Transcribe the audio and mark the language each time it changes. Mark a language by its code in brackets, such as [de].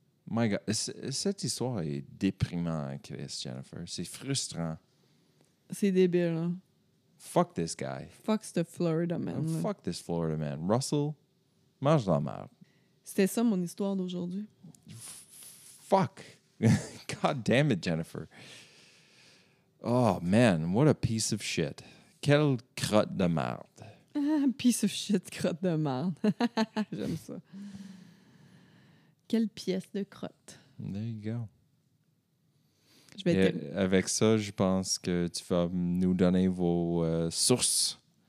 [en] My God, [fr] cette histoire est déprimante, Chris, Jennifer. C'est frustrant. C'est débile, hein? [en] Fuck this guy. Fuck the Florida man. Fuck this Florida man. Russell, [fr] mange la merde. C'était ça, mon histoire d'aujourd'hui. [en] Fuck. God damn it, Jennifer. Oh, man, what a piece of shit. [fr] Quelle crotte de merde. [en] Piece of shit, [fr] crotte de merde. J'aime ça. quelle pièce de crotte? [en] There you go. [fr] Avec ça, je pense que tu vas nous donner vos sources.